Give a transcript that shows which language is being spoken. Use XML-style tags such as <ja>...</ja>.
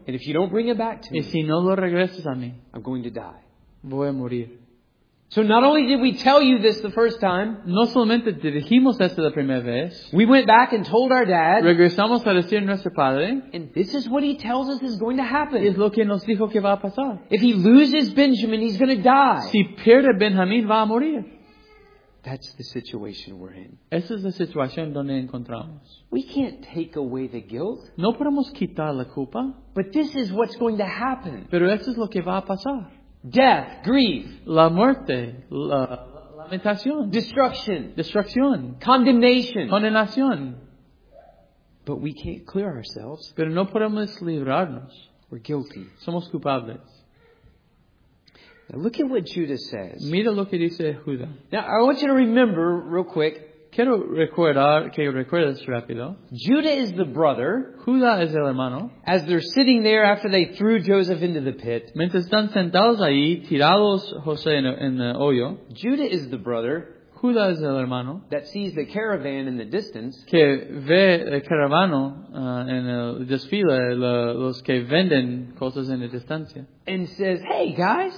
<en>And if you don't bring him back to me,</en> <es>y si no lo regresas a mí,</es> <en>I'm going to die.</en> <es>Voy a morir.</es> <en>So not only did we tell you this the first time,</en> <es>no solamente dijimos esto la primera vez,</es> <en>we went back and told our dad,</en> <es>regresamos a decir nuestro padre,</es> <en>and this is what he tells us is going to happen.</en> <es>Es lo que nos dijo que va a pasar.</es> <en>If he loses Benjamin, he's going to die.</en> <es>Si pierde Benjamín, va a morir.</es> <en>That's the situation we're in.</en> <es>Esa es la situación donde encontramos.</es> <en>We can't take away the guilt.</en> <es>No podemos quitar la culpa.</es> <en>But this is what's going to happen.</en> <es>Pero esto es lo que va a pasar.</es> <en>Death, grief,</en> <es>la muerte, la lamentación,</es> <en>destruction, condemnation. But we can't clear ourselves.</en> <es>Pero no podemos librarnos.</es> <en>We're guilty.</en> <es>Somos culpables.</es> <en>Now look at what Judas says.</en> <es>Mira lo que dice Judas.</es> <en>Now I want you to remember real quick.</en> <es>Quiero recordar que recuerdes rápido.</es> <en>Judah is the brother.</en> <es>Judah es el hermano.</es> <en>As they're sitting there after they threw Joseph into the pit.</en> <es>Mientras están sentados ahí, tirados José en el hoyo.</es> <en>Judah is the brother.</en> <es>Judah es el hermano.</es> <en>That sees the caravan in the distance.</en> <es>Que ve el caravano en el desfile, los que venden cosas en la distancia.</es> <en>And says, hey guys.</en>